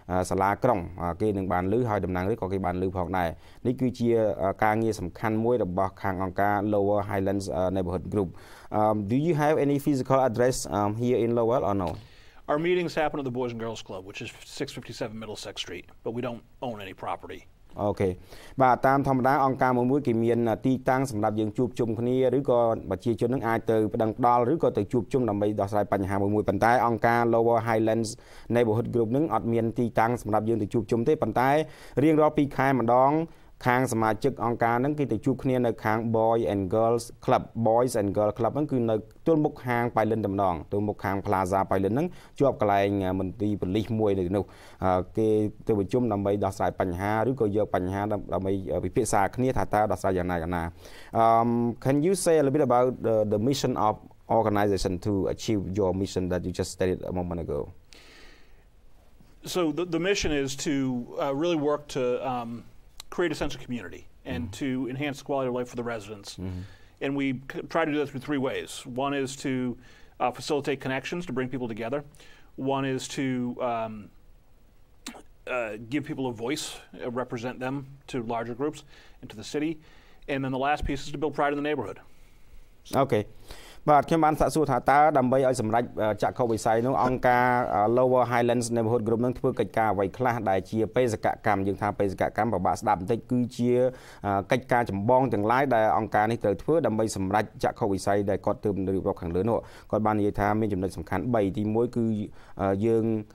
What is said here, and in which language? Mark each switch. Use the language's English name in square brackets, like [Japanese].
[Khmer] សាលាក្រុងគេនឹងបានលឺហើយតំណាងរាជក៏គេបានលឺផងដែរនេះគឺជាការងារសំខាន់មួយរបស់ខាងអង្គការ Lower Highlands Neighborhood Group [English] do you have any physical address here in Lowell or no Our meetings happen at the Boys and Girls Club which is 657 Middlesex Street but we don't own any property Okay. [Khmer] បាទតាមធម្មតាអង្គការមួយមួយគេមានទីតាំងសម្រាប់យើងជួបជុំគ្នាឬក៏ប្រជាជននឹងអាចទៅប្តឹងដាល់ឬក៏ទៅជួបជុំដើម្បីដោះស្រាយបញ្ហាមួយមួយប៉ុន្តែអង្គការ Lower Highlands Neighborhood Group នឹងអត់មានទីតាំងសម្រាប់យើងទៅជួបជុំទេប៉ុន្តែ រៀងរាល់2ខែម្ដងខាងសមាជិកអង្គការនឹងគេទៅជួបគ្នានៅខាង Boys and Girls Club Boys and Girl Club ហ្នឹងគឺនៅទល់មុខខាងប៉ៃលិនតំណងទល់មុខខាង Plaza ប៉ៃលិនហ្នឹងជាប់កន្លែងមន្ទីរប៉ូលីសមួយនៅទីនោះគេទៅប្រជុំដើម្បីដោះស្រាយបញ្ហាឬក៏យកបញ្ហាដើម្បីពិភាក្សាគ្នាថាតើដោះស្រាយយ៉ាងណាយ៉ាងណា [English] can you say a little bit about the mission of organization to achieve your mission that you just stated a moment ago So the mission is to really work to create a sense of community and mm-hmm. to enhance the quality of life for the residents. Mm-hmm. And we try to do that through three ways. One is to facilitate connections to bring people together. One is to give people a voice, represent them to larger groups and to the city. And then the last piece is to build pride in the neighborhood. Okay. [Khmer] បាទខ្ញុំបានសាកសួរថាតើដើម្បីឲ្យសម្រេចចក្ខុវិស័យនោះអង្គការ Lower Highlands Neighborhood Group នឹងធ្វើកិច្ចការអ្វីខ្លះដែលជាបេសកកម្មយើងថាបេសកកម្មរបស់ស្ដាប់បន្តិចគឺជាកិច្ចការចម្បងទាំងឡាយដែលអង្គការនេះត្រូវធ្វើដើម្បីសម្រេចចក្ខុវិស័យដែលគាត់ទើបនឹងរៀបរាប់ខាងលើនោះគាត់បាននិយាយថាមានចំណុចសំខាន់3ទី1គឺយើង